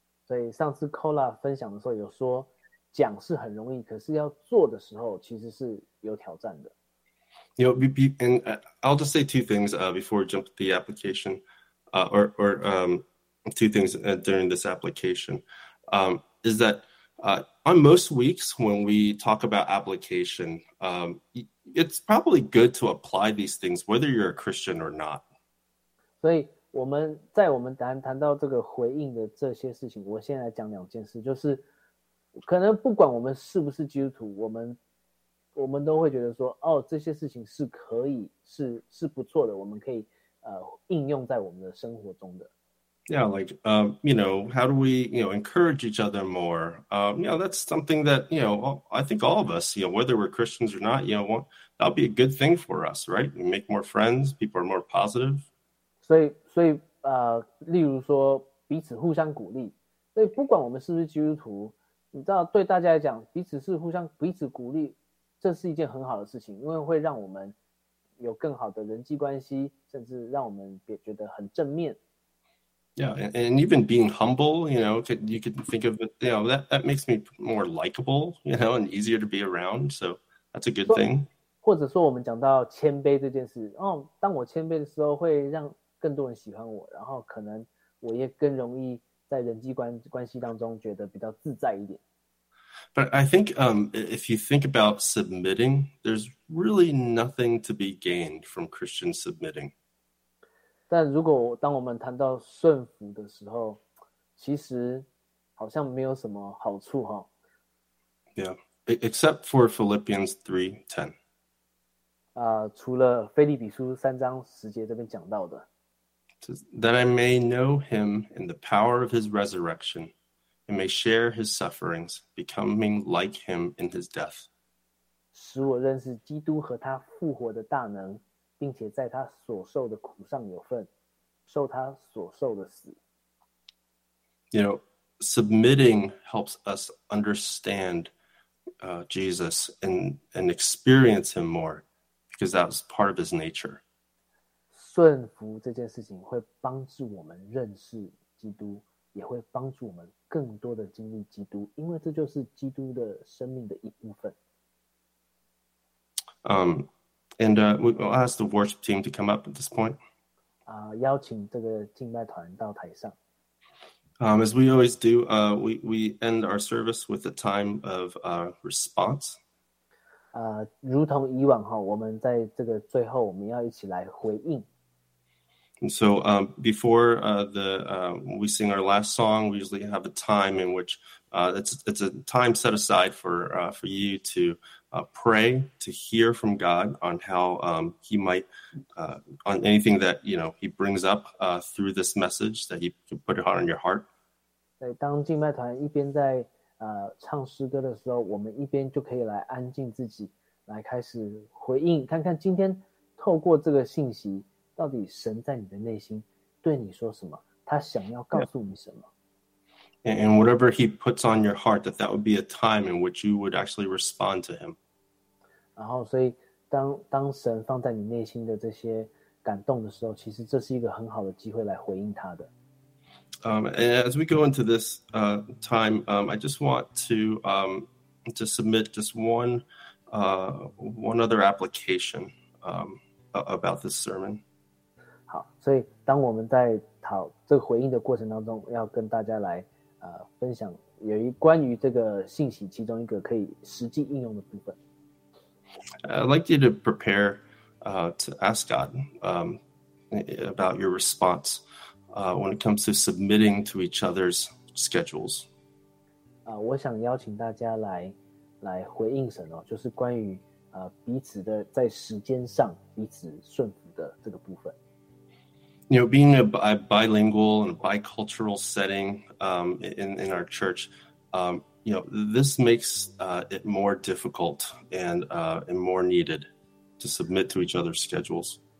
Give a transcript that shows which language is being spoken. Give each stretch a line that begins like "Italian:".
Chinese: 所以上次 Cola 分享的时候有说，讲是很容易，可是要做的时候其实是有挑战的。
English: And I'll just say two things before we jump to the application, two things during this application is that on most weeks when we talk about application, it's probably good to apply these things whether you're a Christian or not.
Chinese: 所以我们在我们谈到这个回应的这些事情，我先来讲两件事，就是可能不管我们是不是基督徒，我们都会觉得说，哦，这些事情是可以是不错的，我们可以应用在我们的生活中的。
English: Yeah, like, how do we, encourage each other more? That's something that, I think all of us, whether we're Christians or not, that'll be a good thing for us, right? We make more friends, people are more positive.
Chinese: 所以例如说彼此互相鼓励。所以不管我们是不是基督徒，你知道对大家来讲，彼此是互相彼此鼓励，这是一件很好的事情，因为会让我们有更好的人际关系，甚至让我们觉得很正面。
English: Yeah, and even being humble, you could think of it, that makes me more likable, and easier to be around. So that's a good thing.
Chinese: 或者说我们讲到谦卑这件事，哦，当我谦卑的时候会让更多人喜欢我，然后可能我也更容易在人际关系当中觉得比较自在一点。
English: But I think if you think about submitting, there's really nothing to be gained from Christian submitting.
Chinese: 但如果当我们谈到顺服的时候，其实好像没有什么好处哈。
English: Yeah, except for Philippians 3:10.
Chinese: 除了腓立比书三章十节这边讲到的。
English: That I may know him in the power of his resurrection, and may share his sufferings, becoming like him in his death.
Chinese: 使我认识基督和他复活的大能。并且在他所受的苦上有份，受他所受的死。
English: Submitting helps us understand Jesus and experience him more, because that was part of his nature.
Chinese: 顺服这件事情会帮助我们认识基督，也会帮助我们更多的经历基督，因为这就是基督的生命的一部分。
English: And we'll ask the worship team to come up at this point.
Chinese: 邀请这个敬拜团到台上。
English: As we always do, we end our service with a time of response.
Chinese: 如同以往哈，我们在这个最后，我们要一起来回应。
English: And so, before we sing our last song, we usually have a time in which it's a time set aside for you to. Pray to hear from God on how he might on anything that he brings up through this message that he can put it on your heart.
Chinese: 对，当敬拜团一边在唱诗歌的时候，我们一边就可以来安静自己，来开始回应，看看今天透过这个信息，到底神在你的内心对你说什么，他想要告诉你什么。
English: Yeah. And whatever he puts on your heart, that would be a time in which you would actually respond to him.
Chinese: 然后所以当神放在你内心的这些感动的时候，其实这是一个很好的机会来回应他的。
English: And as we go into this time, I just want to submit just one other application about this sermon.
Chinese: 好，所以当我们在讨这个回应的过程当中，要跟大家来分享有一关于这个信息其中一个可以实际应用的部分。
English: I'd like you to prepare to ask God about your response. When it comes to submitting to each other's schedules.
Chinese: 我想邀请大家来回应神哦，就是关于彼此的在时间上彼此顺服的这个部分。
English: You know, being a bilingual and bicultural setting in our church, you know, this makes it more difficult and more needed to submit to each other's schedules.